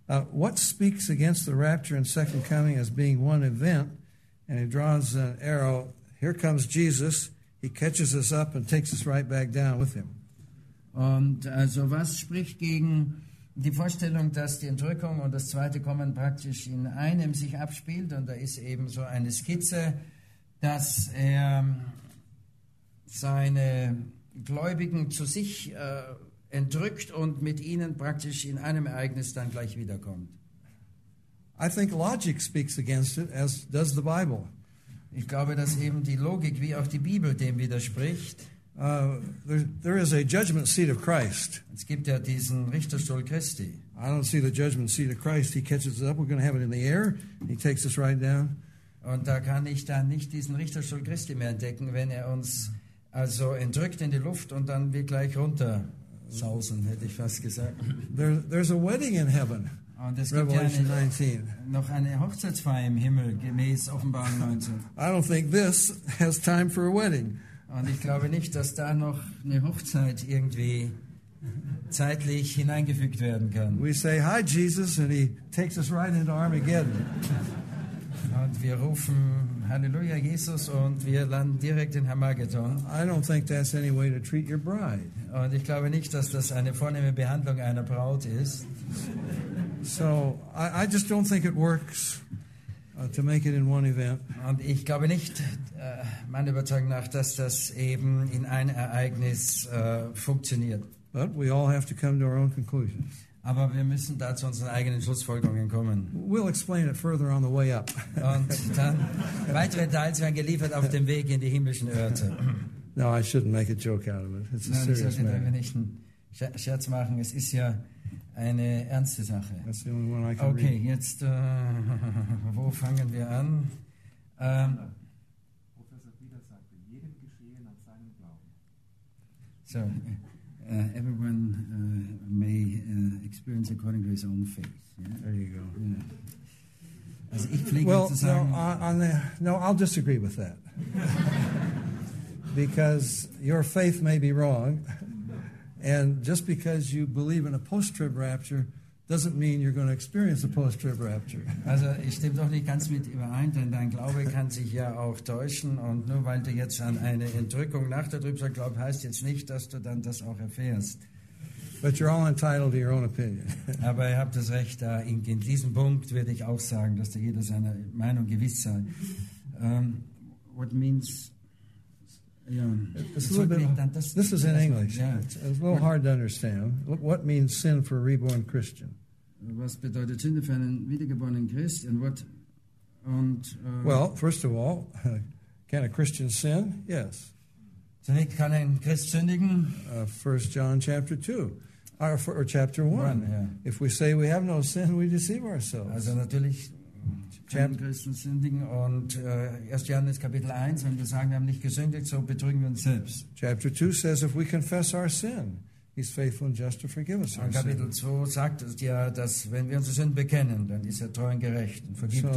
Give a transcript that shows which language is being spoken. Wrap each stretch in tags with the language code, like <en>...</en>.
<en>What speaks against the rapture and second coming as being one event, and he draws an arrow, here comes Jesus, he catches us up and takes us right back down with him.</en> <de>Und also was spricht gegen die Vorstellung, dass die Entrückung und das zweite Kommen praktisch in einem sich abspielt? Und da ist eben so eine Skizze, dass er seine Gläubigen zu sich entrückt und mit ihnen praktisch in einem Ereignis dann gleich wiederkommt.</de> <en>I think logic speaks against it, as does the Bible.</en> <de>Ich glaube, dass eben die Logik wie auch die Bibel dem widerspricht.</de> <en>There is a judgment seat of Christ.</en> <de>Es gibt ja diesen Richterstuhl Christi.</de> <en>I don't see the judgment seat of Christ. He catches us up. We're going to have it in the air. He takes us right down.</en> <de>Und da kann ich dann nicht diesen Richterstuhl Christi mehr entdecken, wenn er uns also entrückt in die Luft und dann wir gleich runter sausen, hätte ich fast gesagt.</de> <en>There's a wedding in heaven.</en> <de>Und es gibt</de> <en>Revelation</en> <de>ja noch eine Hochzeitsfeier im Himmel gemäß Offenbarung 19.</de> <en>I don't think this has time for a wedding.</en> <de>Und ich glaube nicht, dass da noch eine Hochzeit irgendwie zeitlich hineingefügt werden kann.</de> <en>We say, hi, Jesus, and he takes us right into Armageddon.</en> <de>Und wir rufen, Halleluja, Jesus, und wir landen direkt in Armageddon.</de> <en>I don't think that's any way to treat your bride.</en> <de>Und ich glaube nicht, dass das eine vornehme Behandlung einer Braut ist.</de> <en>So, I just don't think it works. To make it in one event.</en> <de>Und ich glaube nicht, meiner Überzeugung nach, dass das eben in ein Ereignis funktioniert.</de> <en>But we all have to come to our own conclusions.</en> <de>Aber wir müssen da zu unseren eigenen Schlussfolgerungen kommen.</de> <en>We'll explain it further on the way up.</en> <de>Und dann weitere Details werden geliefert auf dem Weg in die himmlischen Orte.</de> <en>No, I shouldn't make a joke out of it. It's a</en> <de>Nein,</de> <en>serious</en> <de>ich sollte nicht einen Scherz machen. Es ist ja eine ernste Sache.</de> <en>That's the only one I can okay, read.</en> <de>Jetzt wo fangen wir an? Professor Peter sagte, jedem geschehe nach seinem Glauben.</de> <en>So, everyone may experience according to his own faith. Yeah? There you go.</en> <de>Yeah. Also ich pflege well, zu sagen,</de> <en>I'll disagree with that. Because your faith may be wrong. And just because you believe in a post-trib rapture doesn't mean you're going to experience a post-trib rapture.</en> <de>Also, ich stimme doch nicht ganz mit überein, denn dein Glaube kann sich ja auch täuschen. Und nur weil du jetzt an eine Entrückung nach der Trübsal glaubst, heißt jetzt nicht, dass du dann das auch erfährst.</de> <en>But you're all entitled to your own opinion.</en> <de>Aber ihr habt das Recht, da in diesem Punkt würde ich auch sagen, dass da jeder seiner Meinung gewiss sei.</de> <en>What means... This is in English. Yeah. It's a little hard to understand. What means sin for a reborn Christian?</en> <de>Was bedeutet Sünde für einen wiedergeborenen Christ?</de> <en>And what? And, well, first of all, can a Christian sin? Yes.</en> <de>Zunächst kann ein Christ sündigen.</de> <en>1 John chapter 2. Or chapter 1. One, yeah. If we say we have no sin, we deceive ourselves.</en> <de>Also natürlich. Christen sündigen und 1. Johannes Kapitel 1, wenn wir sagen, wir haben nicht gesündigt, so betrügen wir uns selbst.</de> <en>Chapter 2 says, if we confess our sin, he's faithful and just to forgive us our sin.</en> <de>Kapitel 2 sagt es ja, dass wenn wir unsere Sünden bekennen, dann ist er treu und gerecht und vergibt</de>